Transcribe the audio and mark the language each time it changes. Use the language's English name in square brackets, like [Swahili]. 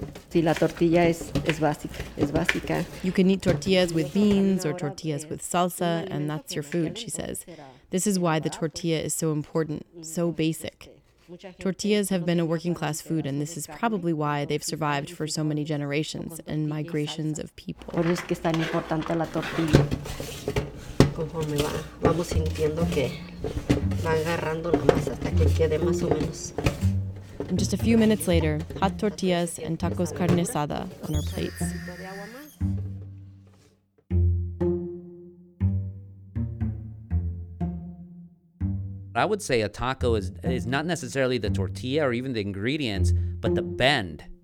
[Spanish] Sí, la tortilla es básica. [English] You can eat tortillas with beans or tortillas with salsa, and that's your food, she says. This is why the tortilla is so important, so basic. Tortillas have been a working class food, and this is probably why they've survived for so many generations and migrations of people. [Spanish] Por eso es que es tan importante la tortilla. Conforme va, vamos sintiendo que va agarrando la masa hasta que quede más o menos. [English] And just a few minutes later, hot tortillas and tacos carne asada on our plates. I would say a taco is not necessarily the tortilla or even the ingredients, but the bend.